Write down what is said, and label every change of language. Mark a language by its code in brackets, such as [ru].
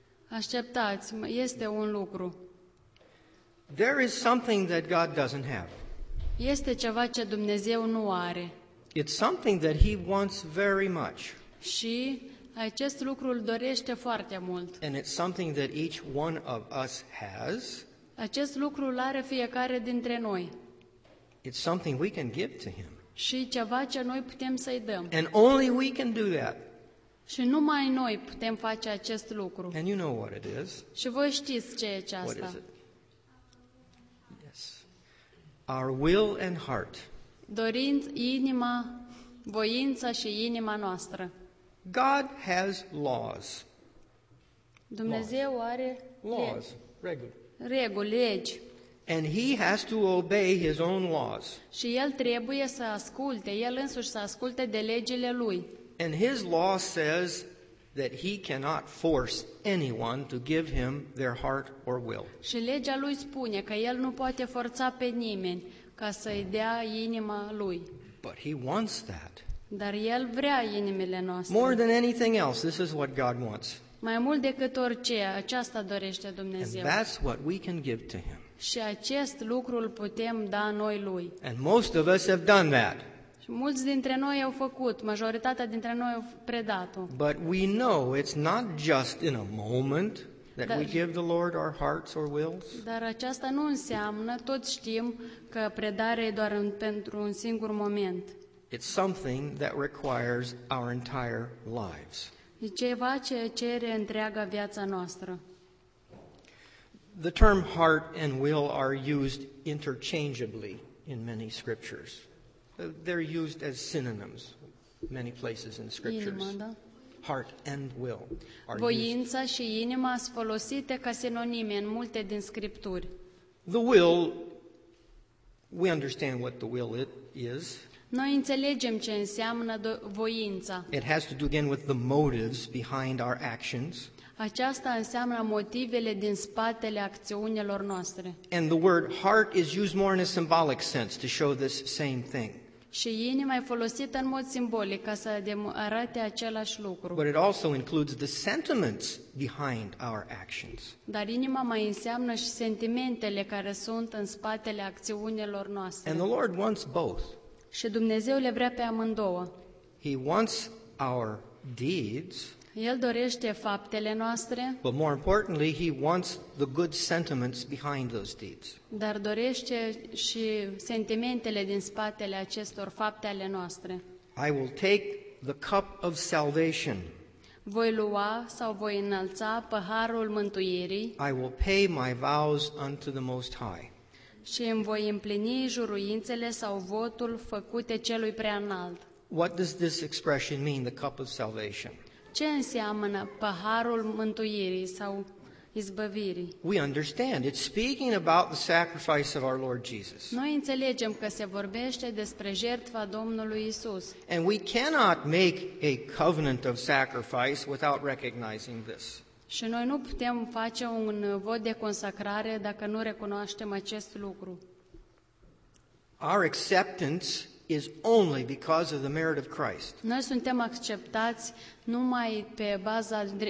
[ro] Așteptați, este un lucru. [en] There is something that God doesn't have. [ro] Este ceva ce Dumnezeu nu are. [en] It's something that he wants very much. [ro] Și acest lucru îl dorește foarte mult. [en] And it's something that each one of us has. [ro] Acest lucru îl are fiecare dintre noi. [en] It's something we can give to him. [ro] Și ceva ce noi putem să-i dăm. [en] And only we can do that. [ro] Și numai noi putem face acest lucru. [en] And you know what it is. [ro] Și voi știți ce e aceasta. [en] What is it? Yes. Our will and heart. [ro] Dorința, inima, voința și inima noastră. [en] God has laws. [ro] Dumnezeu are laws, reguli. Reguli, legi. [en] And he has to obey his own laws. [ro] Și el trebuie să asculte, el însuși să asculte de legile lui. [en] And his law says that he cannot force anyone to give him their heart or will. [ro] Și legea lui spune că el nu poate forța pe nimeni ca să-i dea inima lui. [en] But he wants that. [ro] Dar el vrea inimile noastre. [en] More than anything else, this is what God wants. [ro] Mai mult decât orice, aceasta dorește Dumnezeu. [en] And that's what we can give to him. [ro] Și acest lucru îl putem da noi lui. [en] And most of us have done that. [ro] Și mulți dintre noi au făcut, majoritatea dintre noi au predat-o. [en] But we know it's not just in a moment that we give the Lord our hearts or wills. [ro] Dar aceasta nu înseamnă, toți știm că predarea e doar pentru un singur moment. [en] It's something that requires our entire lives. [ro] E ceva ce cere întreaga viața noastră. [en] The term heart and will are used interchangeably in many scriptures. They're used as synonyms many places in scriptures. [ro] Inima, da. [en] Heart and will are [ro] voința [en] used. [ro] Și inima sunt folosite ca sinonime în multe din scripturi. [en] The will, we understand what the will it is. [ro] Noi înțelegem ce înseamnă voința. [en] It has to do again with the motives behind our actions. [ro] Aceasta înseamnă motivele din spatele acțiunilor noastre. [en] And the word heart is used more in a symbolic sense to show this same thing. [ro] Și inima e folosită în mod simbolic ca să arate același lucru. [en] But it also includes the sentiments behind our actions. [ro] Dar inima mai înseamnă și sentimentele care sunt în spatele acțiunilor noastre. [en] And the Lord wants both. [ro] Și Dumnezeu le vrea pe amândouă. [en] He wants our deeds. [ro] El dorește faptele noastre. [en] But more importantly, he wants the good sentiments behind those deeds. [ro] Dar dorește și sentimentele din spatele acestor fapte ale noastre. [en] I will take the cup of salvation. [ro] Voi lua sau voi înălța paharul mântuirii. [en] I will pay my vows unto the Most High. [ro] Și îmi voi împlini juruințele sau votul făcute celui preanalt. [en] What does this expression mean, the cup of salvation? [ro] Ce înseamnă paharul mântuirii sau izbăvirii? [en] We understand. It's speaking about the sacrifice of our Lord Jesus. [ro] Noi înțelegem că se vorbește despre jertfa Domnului Isus. [en] And we cannot make a covenant of sacrifice without recognizing this. [ro] Și noi nu putem face un vot de consacrare dacă nu recunoaștem acest lucru. [en] Our acceptance is only because of the merit of Christ. [ro] Noi suntem acceptați numai pe baza